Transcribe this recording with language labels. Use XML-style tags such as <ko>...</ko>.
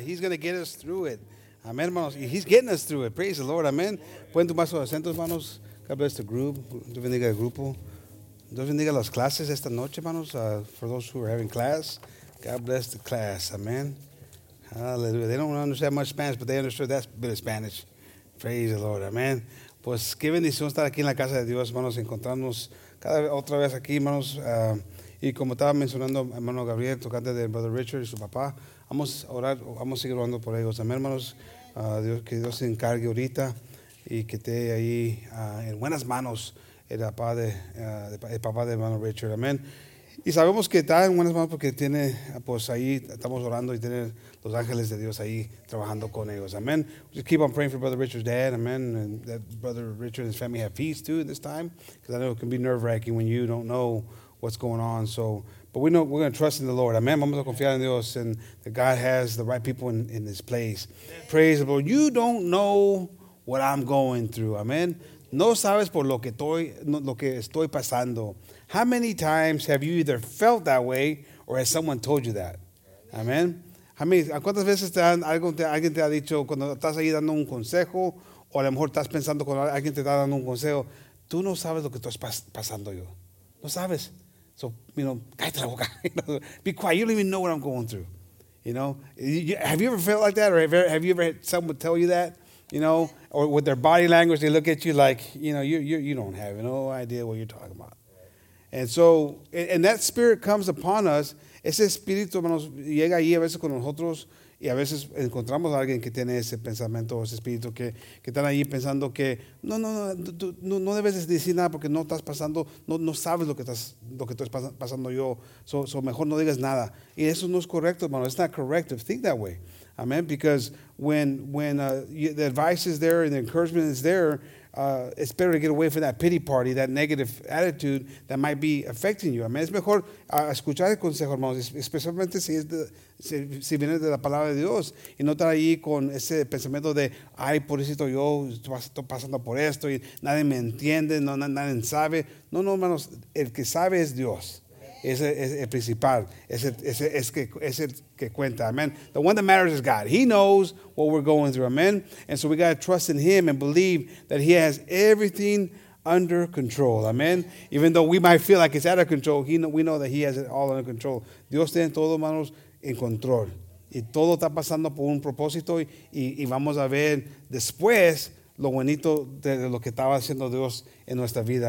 <en>He's going to get us through it. Amen, hermanos. He's getting us through it. Praise the Lord. Amen.</en> <es>Pueden tomar sus asientos, hermanos.</es> <en>God bless the group.</en> <es>Dios bendiga el grupo. Dios bendiga las clases esta noche, hermanos,</es> <en>for those who are having class. God bless the class. Amen. Hallelujah. They don't understand much Spanish, but they understood that bit of Spanish. Praise the Lord. Amen.</en> <es>Pues, qué bendición estar aquí en la casa de Dios, hermanos, encontrarnos cada vez, otra vez aquí, hermanos. Y como estaba mencionando hermano Gabriel, tocante de Brother Richard y su papá, vamos a orar, vamos a seguir orando por ellos. Amén, hermanos. Dios, que Dios se encargue ahorita y que esté ahí en buenas manos el papá de hermano Richard. Amén. Y sabemos que está en buenas manos porque tiene, pues ahí estamos orando y tiene los ángeles de Dios ahí trabajando con ellos.</es> <en>Amen. Just keep on praying for Brother Richard's dad. Amen. And that Brother Richard and his family have peace too at this time. Because I know it can be nerve-wracking when you don't know what's going on. So, but we know we're going to trust in the Lord. Amen.</en> <es>Vamos a confiar en Dios</es> <en>and that God has the right people in this place. Amen. Praise the Lord. You don't know what I'm going through. Amen.</en> <es>No sabes por lo que estoy pasando.</es> <en>How many times have you either felt that way or has someone told you that? Amen.</en> <es>¿Cuántas veces alguien te ha dicho cuando estás ahí dando un consejo o a lo mejor estás pensando cuando alguien te está dando un consejo, tú no sabes lo que estás pasando yo? No sabes.</es> <en>So, you know,</en> <es>cállate la boca.</es> <en>Be quiet. You don't even know what I'm going through. You know, have you ever felt like that or have you ever had someone tell you that? You know, or with their body language, they look at you like, you know, you don't have no idea what you're talking about. And so, and that spirit comes upon us.</en> <es>Ese espíritu, hermanos, llega ahí a veces con nosotros y a veces encontramos a alguien que tiene ese pensamiento o ese espíritu que están ahí pensando que no debes decir nada porque no estás pasando, no sabes lo que estás pasando yo. So mejor no digas nada. Y eso no es correcto, hermano.</es> <en>It's not correct to think that way.</en> <es>Amen.</es> <en>Because when the advice is there and the encouragement is there, it's better to get away from that pity party, that negative attitude that might be affecting you.</en> <es>Amen. Es mejor escuchar el consejo, hermanos, especialmente si viene de la palabra de Dios y no estar ahí con ese pensamiento de, ay, pobrecito yo, estoy pasando por esto y nadie me entiende, nadie sabe. No, hermanos, el que sabe es Dios. Ese es el principal. Es el que cuenta.</es> <en>Amen. The one that matters is God. He knows what we're going through. Amen. And so we got to trust in him and believe that he has everything under control. Amen. Even though we might feel like it's out of control, we know that he has it all under control.</en> <es>Dios tiene todo, hermanos, en control. Y todo está pasando por un propósito. Y vamos a ver después lo bonito de lo que estaba haciendo Dios en nuestra vida.</es>